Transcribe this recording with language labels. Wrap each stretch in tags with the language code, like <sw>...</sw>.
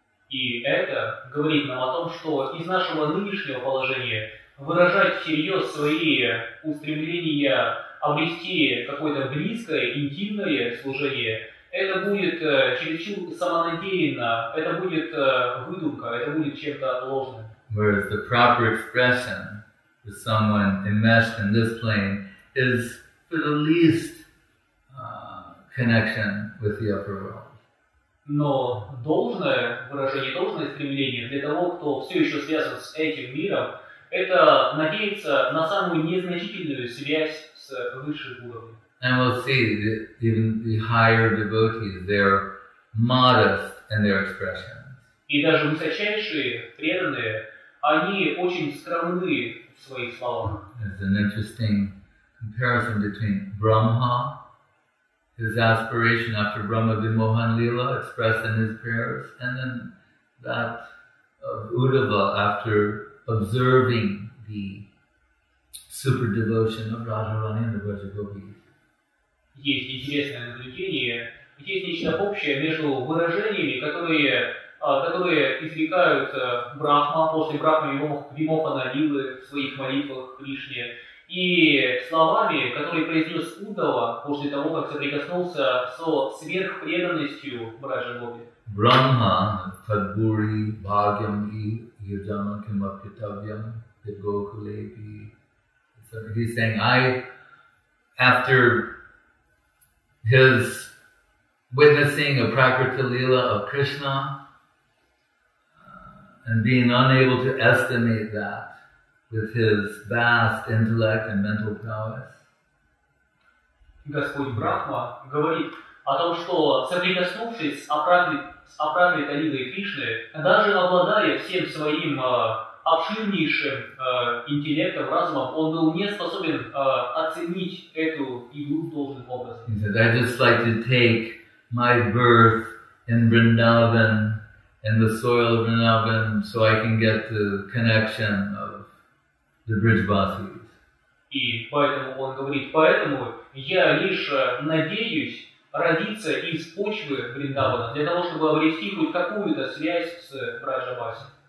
<ru>И это говорит нам о том, что из нашего нынешнего положения выражать всерьез свои устремления обрести какое-то близкое, интимное служение, это будет чересчур самонадеянно, это будет выдумка, это будет чем-то ложным.</ru> <en>Whereas the proper expression for someone enmeshed in this plane is for the least connection with the upper world.</en> <ru>Но должное выражение, должное стремление для того, кто все еще связан с этим миром, это надеяться на самую незначительную связь с высшим уровнем.</ru> <en>And we'll see that even the higher devotees, they're modest in their expressions.</en> <ru>И даже высочайшие преданные, они очень скромны в своих словах.</ru> <en>There's an interesting comparison between Brahma, his aspiration after Brahma Vimohan Lila expressed in his prayers, and then that of Uddhava after observing the super devotion of Radharani and the Vrajagopis.</en> <ru>Есть интересное наблюдение, есть нечто общее между выражениями, которые, которые изрекают Брахма после Брахма Вимохана Лилы в своих молитвах Кришне, и словами, которые произнес Удава после того, как соприкоснулся со сверхпреданностью Брахма.</ru> <sa>Брахма, Тадбури, Бхагьям и Яджаман Кимапхитавьям, Дегокулепи.</sa> <en>So he's saying, after his witnessing a Prakriti Lila of Krishna and being unable to estimate that with his vast intellect and mental prowess.</en> <ru>Господь Брахма говорит о том, что соприкоснувшись с Апракрита Лилой Кришны, даже обладая всем своим обширнейшим интеллектом, разумом, он был не способен оценить эту игру должным образом.</ru> <en>He said, I'd just like to take my birth in Vrindavan, in the soil of Vrindavan, so I can get the connection of the Vrijvasis.</en> <ru>И поэтому он говорит, поэтому я лишь надеюсь родиться из почвы Вриндавана, для того, чтобы обрести хоть какую-то связь с Вриджаваси.</ru>